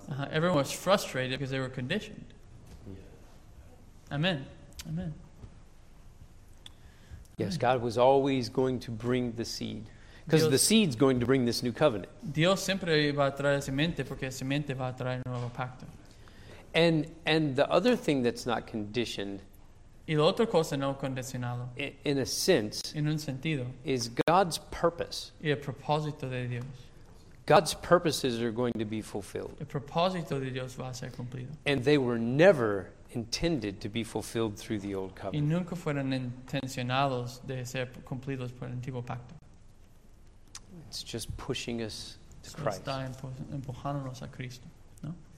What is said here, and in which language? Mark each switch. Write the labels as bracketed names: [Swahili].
[English] Everyone was frustrated because they were conditioned. Yeah. Amen. Amen. Yes, God was always going to bring the seed. Because the seed's going to bring this new covenant. [Spanish] Dios siempre va a traer semente porque semente va a traer nuevo pacto. [English] And the other thing that's not conditioned, [Spanish] y la otra cosa no condicionado, [English] in a sense, [Spanish] en un sentido, [English] is God's purpose. [Spanish] Y el propósito de Dios. [English] God's purposes are going to be fulfilled. [Spanish] El propósito de Dios va a ser cumplido. [English] And they were never intended to be fulfilled through the old covenant. [Spanish] Y nunca fueron intencionados de ser cumplidos por el antiguo pacto. [English] It's just pushing us to Christ. [Spanish] Está empujándonos a Cristo, ¿no?